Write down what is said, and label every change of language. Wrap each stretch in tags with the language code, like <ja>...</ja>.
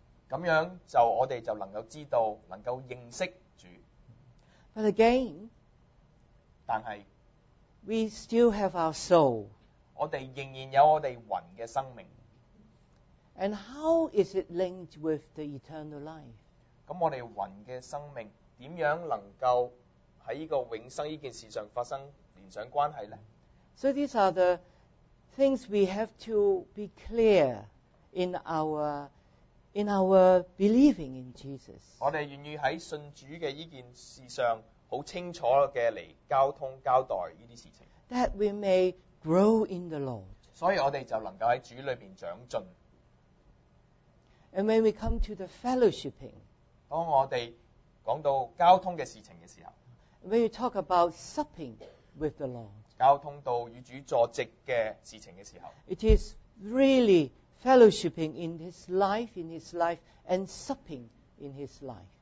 <yue>咁樣就我哋就能夠知道，能夠認識主。</yue> <en>But again，</en> <yue>但係</yue> <en>，we still have our soul。</en> <yue>我哋仍然有我哋魂嘅生命。</yue> <en>And how is it linked with the eternal life?</en> <yue>咁我哋魂嘅生命點樣能夠喺呢個永生呢件事上發生連上關係呢？</yue> <en>So these are the things we have to be clear in our believing in Jesus.</en> <yue>我哋願意喺信主嘅呢件事上好清楚嘅嚟交通交代呢啲事情。</yue> <en>That we may grow in the Lord.</en> <yue>所以我哋就能夠喺主裏面長進。</yue> <en>And when we come to the fellowshipping,</en> <yue>當我哋講到交通嘅事情嘅時候</yue> <en>，when you talk about supping with the Lord,</en> <yue>交通到與主坐席嘅事情嘅時候</yue> <en>，it is really fellowshipping in His life, in His life, and supping in His life.</en>